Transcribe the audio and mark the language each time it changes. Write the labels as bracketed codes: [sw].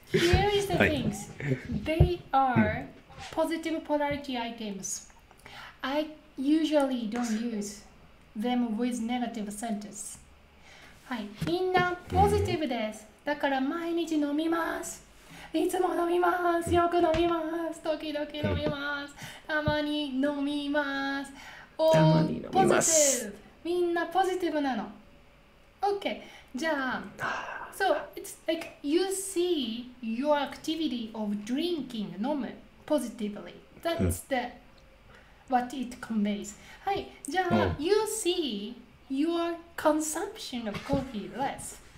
[en] Okay, here is the things.、はい、They are positive polarity items. I usually don't use them with negative sentence. [ja] はい、みんなポジティブです。だから毎日飲みます。いつも飲みます。よく飲みます。時々飲みます。たまに飲みます。たまに飲みます。ポジティブ。みんなポジティブなの。 OK。 [en] じゃあ、So, it's like you see your activity of drinking, 飲む positively. That's the what it conveys. はい。じゃあ、You see your consumption of coffee less.